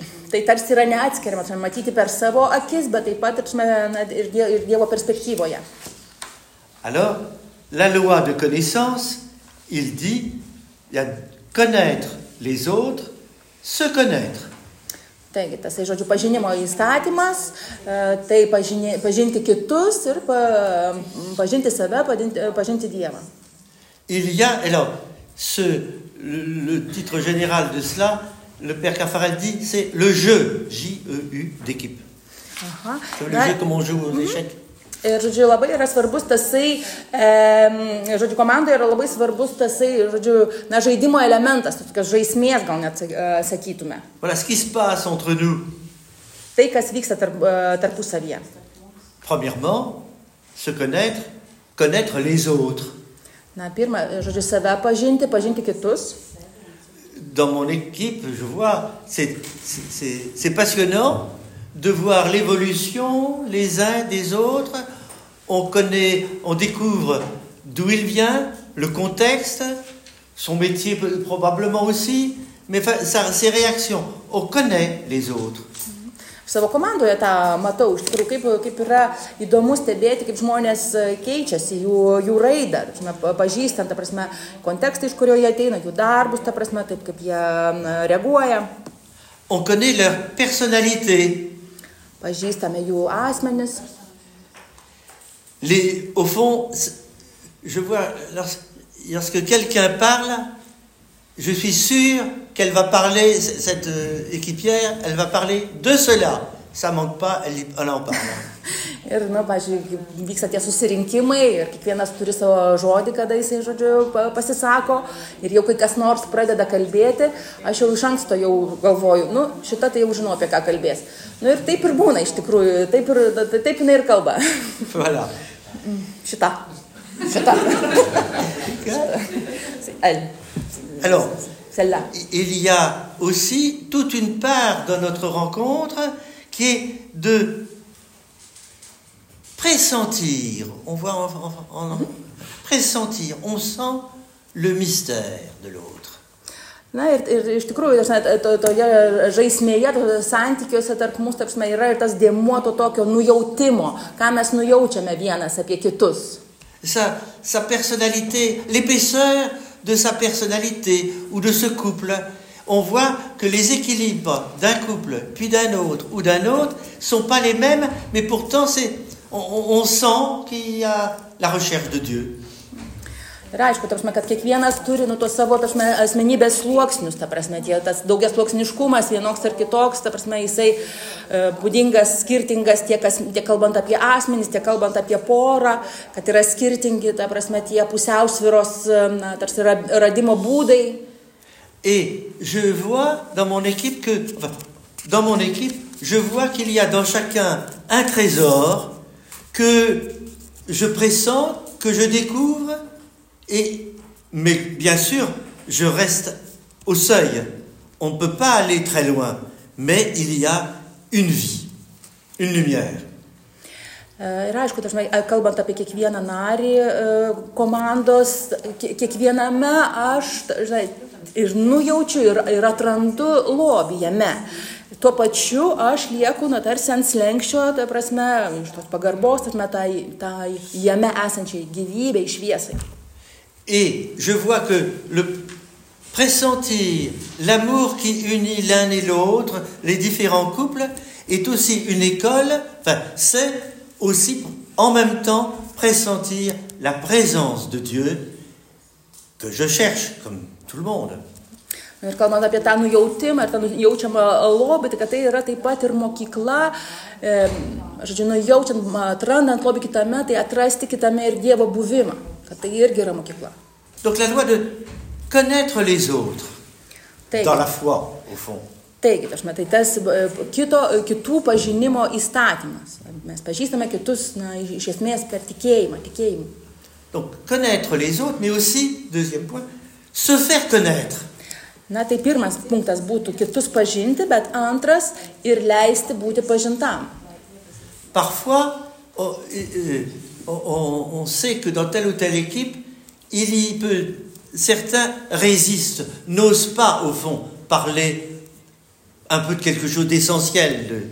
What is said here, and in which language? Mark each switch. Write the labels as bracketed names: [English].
[Lithuanian] Tai tarsi yra neatskiriama, matyti per savo akis, bet taip pat ir Dievo perspektyvoje. [French] Alors, la loi de connaissance... Il dit, il y a connaître les autres, se connaître. [Lithuanian] Taigi, tasai žodžiu pažinimo įstatymas, tai pažinti kitus ir pažinti save, pažinti Dievą. [French] Il y a, alors, le titre général de cela, le père Caffarel dit, c'est le jeu, J-E-U, d'équipe. Le jeu, comme on joue aux échecs. [Lithuanian] Ir, žodžiu, labai yra svarbus tasai, žodžiu, komandoje yra labai svarbus tasai, žodžiu, na, žaidimo elementas, tokios žaismės, gal net sakytume. [French] Voilà, ce qui se passe entre nous. [Lithuanian] Tai, kas vyksta tarpusavyje. [French] Premièrement, se connaître, connaître les autres. [Lithuanian] Na, pirma, žodžiu, save pažinti, pažinti kitus. [French] Dans mon équipe, je vois, c'est passionnant. De voir l'évolution les uns des autres, on connaît, on découvre d'où il vient, le contexte, son métier probablement aussi, mais ses réactions, on connaît les autres. [Lithuanian] Savo komandoje tą matau, iš tikrųjų, kaip yra įdomu stebėti, kaip žmonės keičiasi, jų raidą, pažįstant, ta prasme, kontekstą, iš kurio jie ateina, jų darbus, ta prasme, taip kaip jie reaguoja. [French] On connaît leur personnalité. [Lithuanian] Pažįstame jų asmenis. [French] Au fond, je vois, lorsque quelqu'un parle, je suis sûr qu'elle va parler, cette équipière, elle va parler de cela. Ça manque pas, elle en parle. [Lithuanian] Ir, nu, pažiūrėjau, vyksta tie susirinkimai ir kiekvienas turi savo žodį, kada jisai, žodžiu, pasisako ir jau kai kas nors pradeda kalbėti, aš jau iš anksto jau galvoju, nu, šita tai jau žinau, apie ką kalbės. Nu, ir taip ir būna, iš tikrųjų, taip jinai ir kalba. [French] Voilà. [Lithuanian] Šita. [French] C'est elle. Alors, celle-là. Il y a aussi toute une part dans notre rencontre qui est de pressentir. On voit en pressentir. On sent le mystère de l'autre. [Lithuanian] Na ir iš tikrųjų, toje žaismėje, santykiuose tarp mūsų, tarp mūsų, yra ir tas dėmuo to tokio nujautimo, ką mes nujaučiame vienas apie kitus. [French] Sa personnalité, l'épaisseur de sa personnalité ou de ce couple, on voit que les équilibres d'un couple, puis d'un autre ou d'un autre, sont pas les mêmes, mais pourtant on sent qu'il y a la recherche de Dieu. [Lithuanian] Ir aišku, kad kiekvienas turi nu, tos savo asmenybės sluoksnius, tas daugias sluoksniškumas, vienoks ar kitoks, jisai būdingas, skirtingas, tiek kalbant apie asmenys, tiek kalbant apie porą, kad yra skirtingi, tie pusiausviros, tarsi radimo būdai. [French] Et je vois dans mon équipe que, dans mon équipe, je vois qu'il y a dans chacun un trésor que je pressens, que je découvre. Et, mais bien sûr, je reste au seuil. On ne peut pas aller très loin, mais il y a une vie, une lumière. [Lithuanian] Ir aišku, kalbant apie kiekvieną narį komandos, kiekviename aš ir nujaučiu ir atrandu lobį jame. Tuo pačiu aš lieku tarsi ant slenkščio, iš tos pagarbos, tai jame esančiai gyvybei, šviesai. [French] Et je vois que le pressentir, l'amour qui unit l'un et l'autre, les différents couples, est aussi une école, enfin, c'est aussi en même temps pressentir la présence de Dieu que je cherche, comme tout le monde. [Lithuanian] Ir kalbant apie tą nujautimą, ir tą jaučiamą lobį, tai kad tai yra taip pat ir mokykla, nujaučiant, atrandant lobį kitame, tai atrasti kitame ir Dievo buvimą, kad tai irgi yra mokykla. [French] Donc la loi de connaître les autres, [Lithuanian] taigi, [French] dans la foi, au fond. [Lithuanian] Taigi, tai tas kitų pažinimo įstatymas. Mes pažįstame kitus, iš esmės, per tikėjimą, tikėjimą. [French] Donc connaître les autres, mais aussi, deuxième point, se faire connaître. [Lithuanian] Na, tai pirmas punktas būtų kitus pažinti, bet antras ir leisti būti pažintam. [French] Parfois, on sait que dans telle ou telle équipe, il y peut, certains résistent, n'osent pas, au fond, parler un peu de quelque chose d'essentiel.